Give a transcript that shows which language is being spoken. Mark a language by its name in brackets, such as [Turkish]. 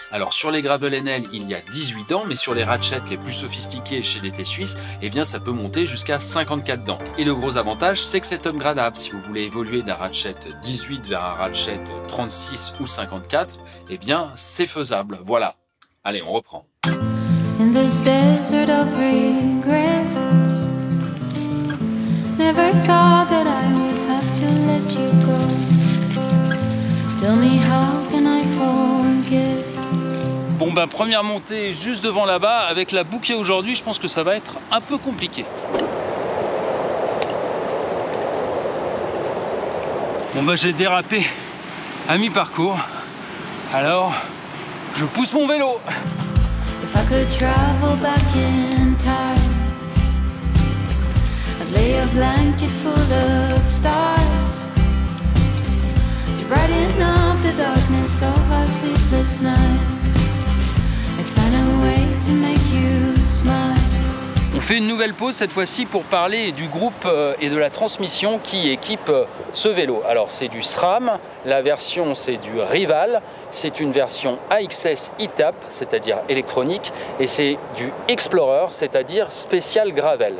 [French] Alors sur les Gravel NL il y a 18 dents, mais sur les ratchets les plus sophistiqués chez DT Suisse, eh bien ça peut monter jusqu'à 54 dents. Et le gros avantage, c'est que c'est upgradable. Si vous voulez évoluer d'un ratchet 18 vers un ratchet 36 ou 54, eh bien c'est faisable. Voilà. Allez, on reprend. [English] In this desert of regrets. Never thought that I would have to let you go. Tell me how can I forget? [French] Bon ben première montée juste devant là-bas avec la bouquet aujourd'hui, je pense que ça va être un peu compliqué. Bon ben j'ai dérapé à mi-parcours. Alors je pousse mon vélo. [English] If I could travel back in time. Lay a blanket full of stars to brighten up the darkness of our sleepless nights. I'd find a way to make you smile. [French] On fait une nouvelle pause cette fois-ci pour parler du groupe et de la transmission qui équipe ce vélo. Alors c'est du SRAM, la version c'est du Rival, c'est une version AXS ETAP, c'est-à-dire électronique, et c'est du Explorer, c'est-à-dire spécial gravel.